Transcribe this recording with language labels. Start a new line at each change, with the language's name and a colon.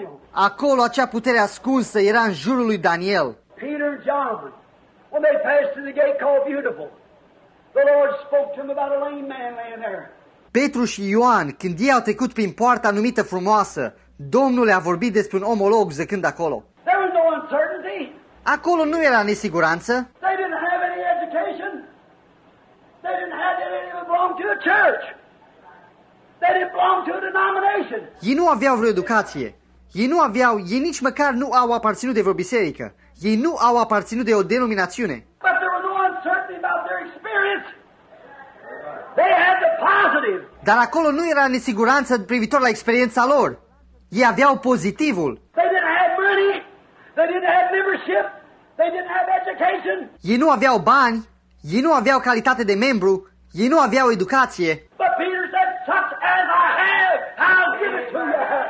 Romanian: Acolo acea putere ascunsă era în jurul lui Daniel.
English: Peter and John, when they passed through the gate called Beautiful, the Lord spoke to them about a lame man laying there.
Romanian: Petru și Ioan, când ei au trecut prin poarta numită Frumoasă, Domnul le-a vorbit despre un omolog zăcând acolo.
English: There was no uncertainty.
Romanian: Acolo nu era nesiguranță.
English: They didn't have any education. They didn't have anything that belonged to a church. They didn't belong to a denomination.
Romanian: Ei nu aveau vreo educație. Ei nici măcar nu au aparținut de vreo biserică. Ei nu au aparținut de o denominațiune.
English: But there was no uncertainty about their experience. They had the positive.
Romanian: Dar acolo nu era nesiguranță privitor la experiența lor. Ei aveau pozitivul.
English: They didn't have money. They didn't have membership. They didn't have education.
Romanian: Ei nu aveau bani. Ei nu aveau calitate de membru. Ei nu aveau educație.
English: But Peter said, such as I have, I'll give it to you.